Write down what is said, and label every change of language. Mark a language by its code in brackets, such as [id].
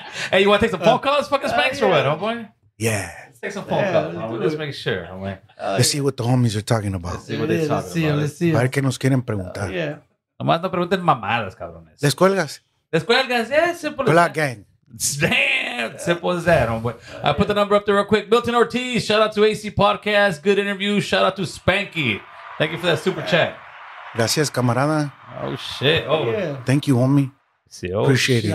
[en] Hey, you want to take some phone calls, fucking Spanks, or what, homeboy? Yeah. Let's take some phone calls. Let's make sure, homeboy. Let's see what the homies are talking about. Let's see what they're talking about. Let's see. [es] Ver qué nos quieren preguntar. [en] Yeah. [es] Nomás no pregunten mamadas, cabrones. Les cuelgas. [en] Yeah, simple. Black gang. Damn, simple as that, homeboy. I put the number up there real quick. Milton Ortiz, shout out to AC Podcast. Good interview. Shout out to Spanky. Thank you for that super chat. [es] Gracias, camarada. [en] Oh, shit. Oh, yeah. Thank you, homie. See, oh, appreciate it.